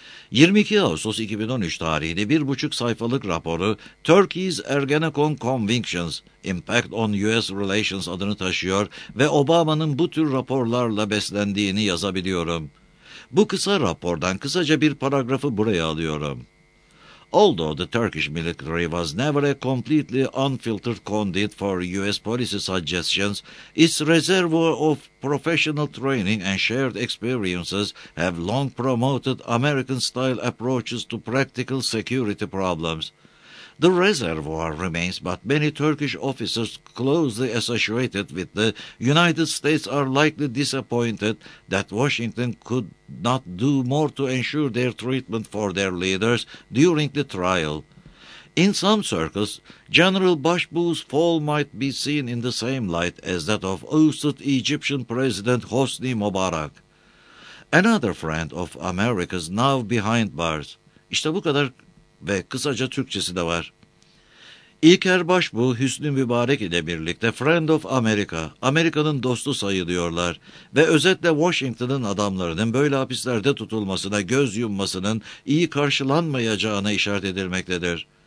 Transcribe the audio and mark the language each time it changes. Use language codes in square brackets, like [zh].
[tr] 22 Ağustos 2013 tarihli 1,5 sayfalık raporu [en] Turkey's Ergenekon Convictions, Impact on U.S. Relations [tr] adını taşıyor ve Obama'nın bu tür raporlarla beslendiğini yazabiliyorum. Bu kısa rapordan kısaca bir paragrafı buraya alıyorum. [en] Although the Turkish military was never a completely unfiltered conduit for U.S. policy suggestions, its reservoir of professional training and shared experiences have long promoted American-style approaches to practical security problems. The reservoir remains, but many Turkish officers closely associated with the United States are likely disappointed that Washington could not do more to ensure their treatment for their leaders during the trial. In some circles, General Bashbu's fall might be seen in the same light as that of ousted Egyptian President Hosni Mubarak, another friend of America's now behind bars. [tr] İşte bu kadar ve kısaca Türkçesi de var. İlker Başbuğ, Hüsnü Mübarek ile birlikte [en] Friend of America, [tr] Amerika'nın dostu sayılıyorlar ve özetle Washington'ın adamlarının böyle hapislerde tutulmasına, göz yummasının iyi karşılanmayacağına işaret edilmektedir.